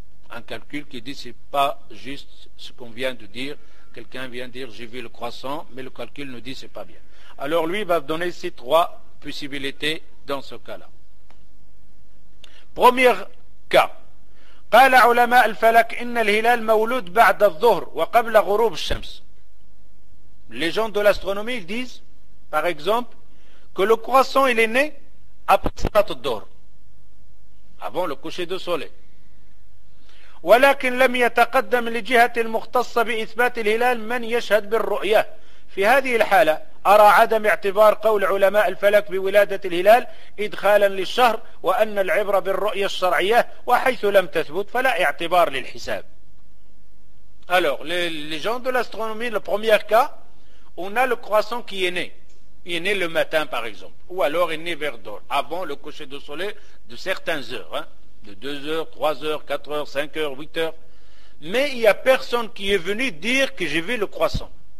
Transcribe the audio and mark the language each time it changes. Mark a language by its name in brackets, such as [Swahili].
[French] Un calcul qui dit, c'est pas juste ce qu'on vient de dire. Quelqu'un vient dire j'ai vu le croissant, mais le calcul nous dit c'est pas bien. Alors lui va donner ces trois possibilités dans ce cas-là. Premier cas. [Arabic] قال علماء الفلك إن الهلال مولود بعد الظهر وقبل غروب الشمس. [French] Les gens de l'astronomie ils disent, par exemple, que le croissant il est né après [Arabic] صلاة الظهر, [French] avant le coucher du soleil. [Arabic] ولكن لم يتقدم لجهة المختصة بإثبات الهلال من يشهد بالرؤية. في هذه الحالة أرى عدم اعتبار قول علماء الفلك بولادة الهلال إدخالا للشهر وأن العبرة بالرؤية الشرعية وحيث لم تثبت فلا اعتبار للحساب. [French] Alors les gens de l'astronomie, le premier cas, on a le croissant qui est né. Il est né le matin par exemple, ou alors il est né vers d'or, avant le coucher du soleil de certaines heures, hein. De 2h, 3h, 4h, 5h, 8h. Mais il n'y a personne qui est venu dire que j'ai vu le croissant.